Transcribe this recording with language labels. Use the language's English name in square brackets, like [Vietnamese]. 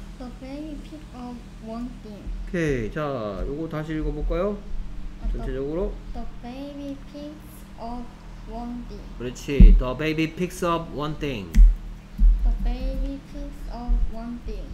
[English] The baby picks up one thing. [Korean] 오케이. 자, 요거 다시 읽어볼까요? 전체적으로. [English] The baby picks up one thing. [Korean] 그렇지. [English] The baby picks up one thing. The baby picks up one thing.